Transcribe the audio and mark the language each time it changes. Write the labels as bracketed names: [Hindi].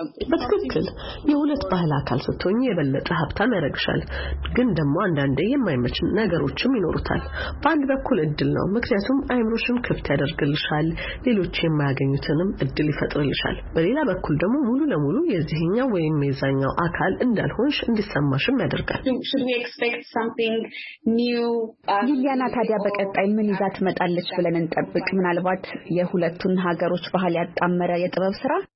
[Amharic] በትክክል የሁለት ባህል አካል ስትሆኚ የበለጠ ሀብታም ያደርግሻል። ግን ደግሞ አንዳንዴ የማይመች ነገሮችም ይኖሩታል። በአንድ በኩል እድል ነው፣ ምክንያቱም አይምሮሽም ክፍት ያደርግልሻል፣ ሌሎች የማያገኙትንም እድል ይፈጥርልሻል። በሌላ በኩል ደግሞ ሙሉ ለሙሉ የዚህኛው ወይም የዛኛው አካል እንዳልሆንሽ እንዲሰማሽም ያደርጋል። [English] Should we expect something new? [Amharic] ሊሊያና ታዲያ በቀጣይ ምን ይዛ ትመጣለች ብለን እንጠብቅ? ምናልባት የሁለቱን ሀገሮች ባህል ያጣመረ የጥበብ ስራ?